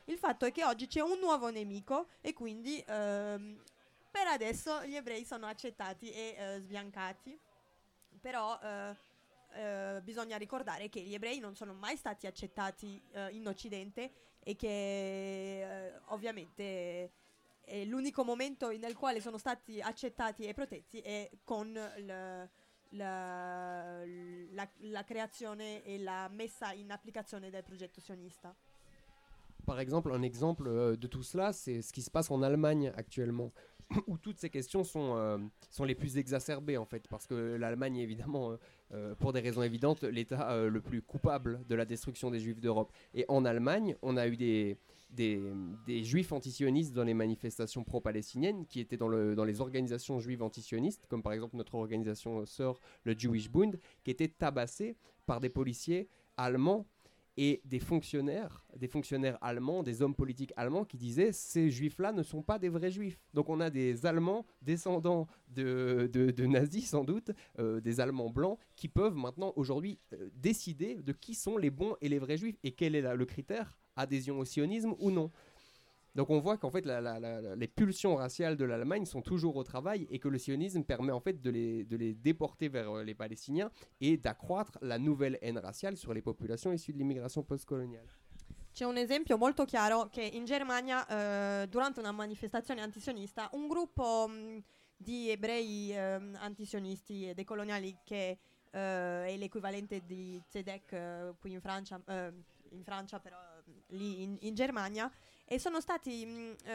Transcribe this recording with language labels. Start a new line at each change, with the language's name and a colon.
Italian: Il fatto è che oggi c'è un nuovo nemico e quindi per adesso gli ebrei sono accettati e sbiancati, però bisogna ricordare che gli ebrei non sono mai stati accettati in Occidente e che ovviamente... E l'unico momento nel quale sono stati accettati e protetti è con la creazione e la messa in applicazione del progetto sionista.
French: Par exemple, un exemple de tout cela, c'est ce qui se passe en Allemagne actuellement, où toutes ces questions sont les plus exacerbées, en fait, parce que l'Allemagne est évidemment, pour des raisons évidentes, l'État le plus coupable de la destruction des Juifs d'Europe. Et en Allemagne, on a eu des juifs antisionistes dans les manifestations pro-palestiniennes qui étaient dans les organisations juives antisionistes, comme par exemple notre organisation sœur, le Jewish Bund, qui étaient tabassés par des policiers allemands et des fonctionnaires allemands, des hommes politiques allemands qui disaient « ces juifs-là ne sont pas des vrais juifs ». Donc on a des Allemands descendants de nazis sans doute, des Allemands blancs, qui peuvent maintenant aujourd'hui décider de qui sont les bons et les vrais juifs et quel est le critère adhésion au sionisme ou non. Donc on voit qu'en fait les pulsions raciales de l'Allemagne sont toujours au travail et que le sionisme permet en fait de les déporter vers les Palestiniens et d'accroître la nouvelle haine raciale sur les populations issues de l'immigration postcoloniale.
Italian: C'è un esempio molto chiaro che in Germania durante una manifestazione antisionista un gruppo di ebrei antisionisti e decoloniali che è l'equivalente di ZEDEC qui in Francia però lì in Germania, e sono stati